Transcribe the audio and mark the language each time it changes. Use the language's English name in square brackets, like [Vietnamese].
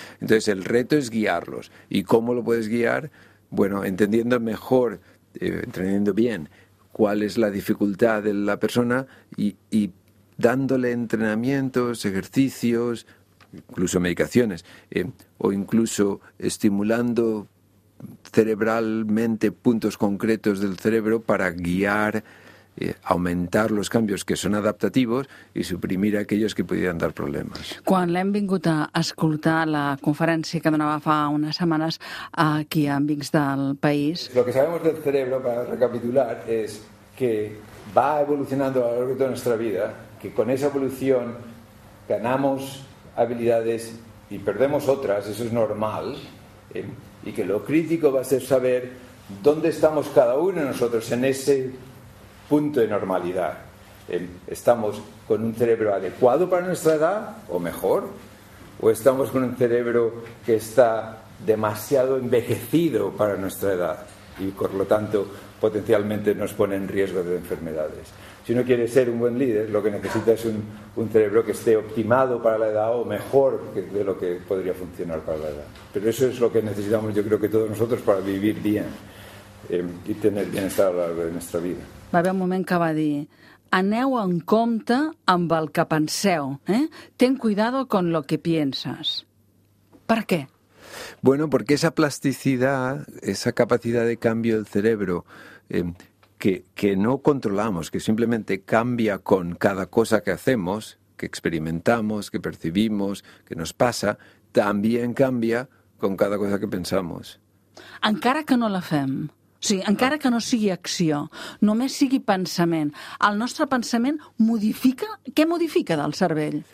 [Spanish] Entonces, el reto es guiarlos. ¿Y cómo lo puedes guiar? Bueno, entendiendo mejor, entendiendo bien cuál es la dificultad de la persona y dándole entrenamientos, ejercicios, incluso medicaciones, o incluso estimulando cerebralmente puntos concretos del cerebro para guiar, aumentar los cambios que son adaptativos y suprimir aquellos que podrían dar problemas. [Catalan] Quan l'hem vingut a escoltar la conferència que donava fa unes setmanes aquí a Amics del País... [Spanish] Lo que sabemos del cerebro, para recapitular, es que va evolucionando a lo largo de nuestra vida, que con esa evolución ganamos habilidades y perdemos otras, eso es normal, y que lo crítico va a ser saber dónde estamos cada uno de nosotros en ese punto de normalidad. ¿Estamos con un cerebro adecuado para nuestra edad o mejor? ¿O estamos con un cerebro que está demasiado envejecido para nuestra edad y por lo tanto potencialmente nos pone en riesgo de enfermedades? Si uno quiere ser un buen líder, lo que necesita es un cerebro que esté optimado para la edad o mejor de lo que podría funcionar para la edad. Pero eso es lo que necesitamos, yo creo que todos nosotros, para vivir bien y tener bienestar a lo largo de nuestra vida. [Catalan] Va haver un moment que va dir, aneu en compte amb el que penseu. [Spanish] Ten cuidado con lo que piensas. [Catalan] ¿Per qué? [Spanish] Bueno, porque esa plasticidad, esa capacidad de cambio del cerebro... Que no controlamos, que simplemente cambia con cada cosa que hacemos, que experimentamos, que percibimos, que nos pasa, también cambia con cada cosa que pensamos. [Catalan] Encara que no la fem, sí, encara que no sigui acció, només sigui pensament, el nostre pensament modifica, què modifica del cervell?